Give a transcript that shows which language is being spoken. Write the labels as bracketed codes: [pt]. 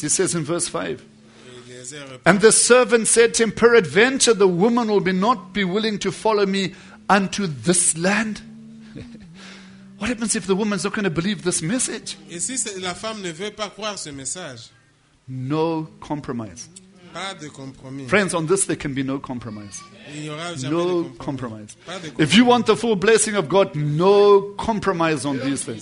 [en] He says in verse 5, and the servant said to him, peradventure the woman will not be willing to follow me unto this land. What happens if the woman's not going to believe this message? [fr] Et si la femme ne veut pas croire ce message? [en] No compromise. [fr] Pas de compromis. [en] Friends, on this there can be no compromise. [fr] Il y aura jamais [en] no [fr] de compromis. [en] Compromise. [fr] Pas de compromis. [en] If you want the full blessing of God, no compromise on these things.